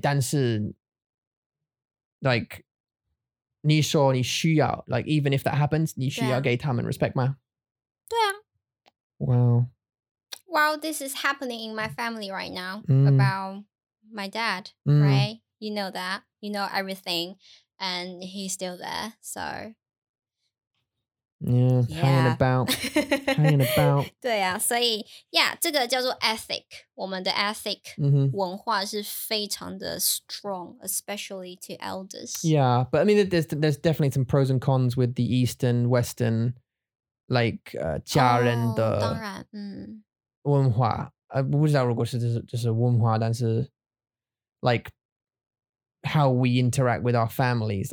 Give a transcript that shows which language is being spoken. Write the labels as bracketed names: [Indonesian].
[Chinese] 但是, like, 你说你需要, like, [English] even if that happens, [Chinese] 你需要给他们 respect 吗? 对啊, [English] wow, well, this is happening in my family right now about my dad, right? You know that. You know everything, and he's still there, so. Yeah, hanging about. Hanging about. [Chinese] 对啊,所以, yeah, 这个叫做 ethic. 我们的 ethic 文化是非常的 strong, [English] especially to elders. Yeah, but I mean, there's definitely some pros and cons with the Eastern, Western, like, [Chinese] 家人的 文化. 我不知道如果是这是文化, 但是, like, [English] how we interact with our families.